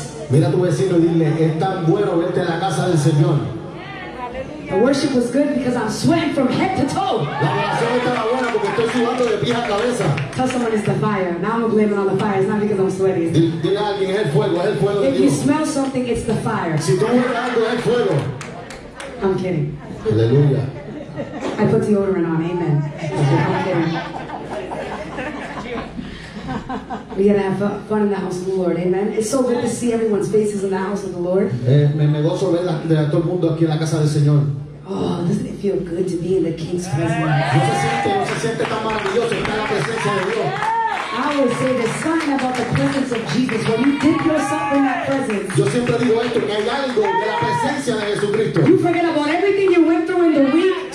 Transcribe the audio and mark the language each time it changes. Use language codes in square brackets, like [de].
[es] Mira tu vecino y dile, es tan bueno verte en la casa del Señor. [en] The worship was good because I'm sweating from head to toe. [es] La oración estaba buena porque estoy sudando de pies a cabeza. [en] Tell someone it's the fire. Now I'm blaming on the fire. It's not because I'm sweaty. [es] Dile a alguien, es el fuego de Dios. [en] If you smell something, it's the fire. [es] Si tú hueles algo, es fuego. [en] I'm kidding. [es] Aleluya. [en] I put the odor in on, amen. I'm kidding. We gotta have fun in the house of the Lord, amen. It's so good to see everyone's faces in the house of the Lord. [es] Me gozo de todo el mundo aquí en la casa del Señor. [en] Oh, doesn't it feel good to be in the King's presence? [es] No se siente tan maravilloso estar en la presencia de Dios. [en] I would say the sign about the presence of Jesus when you dip yourself in that presence. [es] Yo siempre digo esto, que hay algo de la presencia de Jesucristo. [en] You forget about everything you went through in the week.